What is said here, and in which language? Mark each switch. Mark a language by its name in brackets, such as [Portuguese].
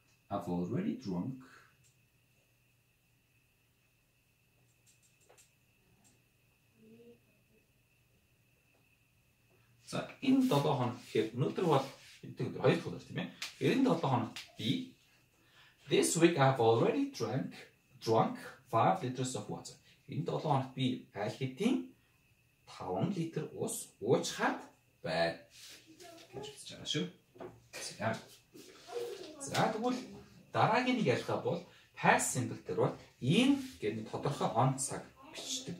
[English] I've already drunk [Mongolian] За, энэ 7 хоног гэхээр өнөөдөр бол бидний 2-р өдөр тийм ээ. Тэгэхээр энэ 7 хоног би [English] This week I have already drunk 5 liters of water. [Mongolian] Энэ 7 хоног би аль хэдийн 5 литр ус уучхад байна гэж хэлж байгаа шүү. За, тэгвэл дараагийн нэг ялгаа бол past simple дээр бол ийм гэдэг тодорхой он цаг бичдэг.